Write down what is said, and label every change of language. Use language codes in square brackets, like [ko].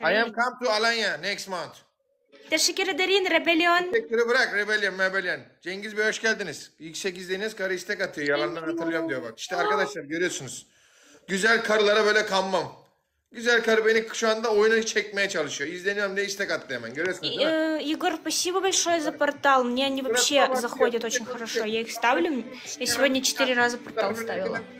[en] I am come to Alanya next month. [tr] Teşekkür ederim Rebellion. Teşekkürü bırak Rebellion. Cengiz Bey hoş geldiniz. Yüksek izleyiniz karı istek atıyor. Yalandan hatırlıyorum diyor bak. İşte arkadaşlar görüyorsunuz. Güzel karılara böyle kanmam. Güzel karı beni şu anda oyuna çekmeye çalışıyor. İzleniyorum diye istek attı hemen. Görüyorsunuz değil mi? [ru] Igor, спасибо большое за портал. Мне они вообще заходят очень хорошо. Я их ставлю. Я сегодня 4 раза портал ставила.